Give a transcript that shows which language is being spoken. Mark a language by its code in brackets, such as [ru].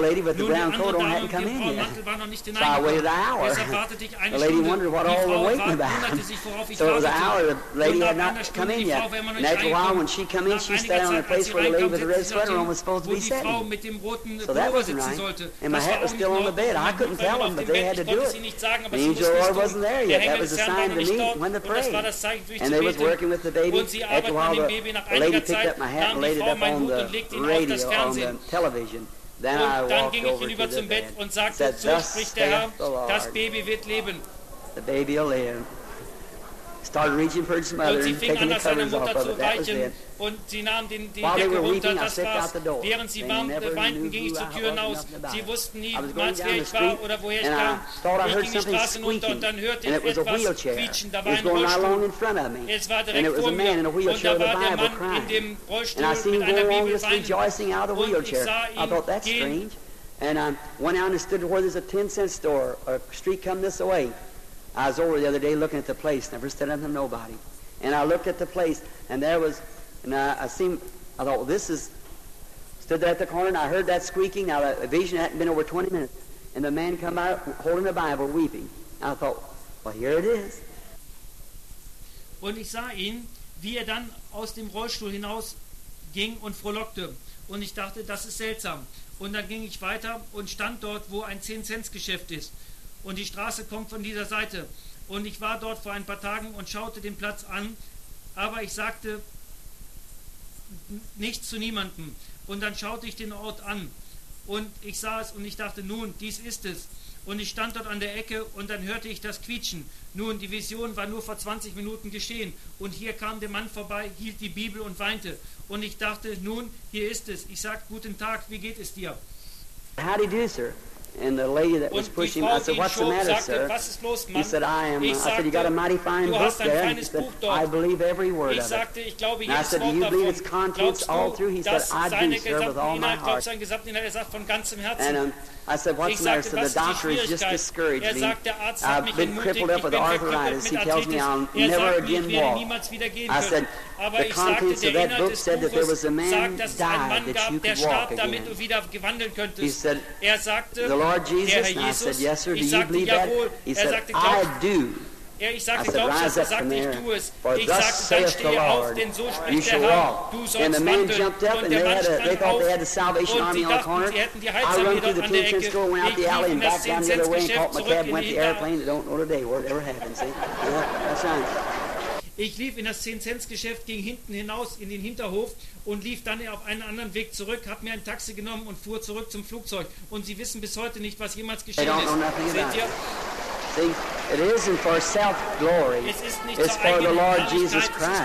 [de] Nun, die andere Dame und die Frau Mantel waren noch nicht hineingekommen. Deshalb wartete ich eine Stunde. Die Frau wunderte sich, worauf ich wartete. Und nach einer Stunde, die Frau war immer noch nicht eingekommen. Nach einiger Zeit, als sie reinkommte, sitzte sie auf dem, wo die Frau mit dem roten Pullover sitzen sollte. Das war auch nicht mehr. Ich konnte sie nicht sagen. [en] They had to do it. The angel of the Lord wasn't there yet. That was a sign to me when to pray. And they was working with the baby. After a while, the lady picked up my hat and laid it up on the radio, on the television. Then I walked over to the bed and said, thus saith the Lord, [de] das Baby wird leben. [en] The baby will live. Started reaching for his mother and taking the covers off of it. That was it. [de] Und sie nahm die Decke runter, das war's. Während sie weinten, ging ich zur Tür hinaus. Sie wussten niemals, wer ich war oder woher ich kam. Ich ging die Straße runter und dann hörte ich etwas quietschen. Da war ein Rollstuhl. Es war direkt vor mir. Und da war der Mann in dem Rollstuhl mit einer Bibel weinen. Und ich sah ihn gehen. [en] And I went out and stood where there's a 10-cent store, a street come this way. I was over the other day looking at the place, never stood up to nobody. And I looked at the place, and there was... And I thought, well, this is, stood there at the corner, and I heard that squeaking. Now, the vision hadn't been over 20 minutes. And the man come out holding a Bible, weeping. And I thought, well, here it is. [de] Und ich sah ihn, wie dann aus dem Rollstuhl hinaus ging und frohlockte. Und ich dachte, das ist seltsam. Und dann ging ich weiter und stand dort, wo ein 10-Cent-Geschäft ist. Und die Straße kommt von dieser Seite. Und ich war dort vor ein paar Tagen und schaute den Platz an. Aber ich sagte... nichts zu niemandem. Und dann schaute ich den Ort an und ich sah es und ich dachte, nun, dies ist es. Und ich stand dort an der Ecke und dann hörte ich das Quietschen. Nun, die Vision war nur vor 20 Minuten geschehen und hier kam der Mann vorbei, hielt die Bibel und weinte. Und ich dachte, nun, hier ist es. Ich sag, guten Tag, wie geht es dir? [en] How do you do, sir? And the lady that was pushing him, I said, what's the matter, sir? He said, I said, you got a mighty fine book there. He said, I believe every word of it. And I said, do you believe its contents all through? He said, I do, sir, with all my heart. And I said, what's the matter, sir? The doctor has just discouraged me. I've been crippled up with arthritis. He tells me I'll never again walk. I said, the contents of that book said that there was a man died that you could walk again. He said, the Lord Jesus? And I said, yes, sir, do you believe that? He said, I do. I said, rise up from there, for thus saith the Lord, you shall walk. And the man jumped up, and they thought they had the Salvation Army on the corner. I run through the 10-cent store, went out the alley, and back down the other way, and caught my cab, went to the airplane. I don't know today where it ever happened, see? Yeah, that's right. [de] Ich lief in das 10-Cent-Geschäft, ging hinten hinaus in den Hinterhof und lief dann auf einen anderen Weg zurück, hab mir ein Taxi genommen und fuhr zurück zum Flugzeug. Und sie wissen bis heute nicht, was jemals geschehen ist. Seht ihr? [en] See, it isn't for self-glory. [de] Es ist nicht [en] it's for the Lord Jesus Christ.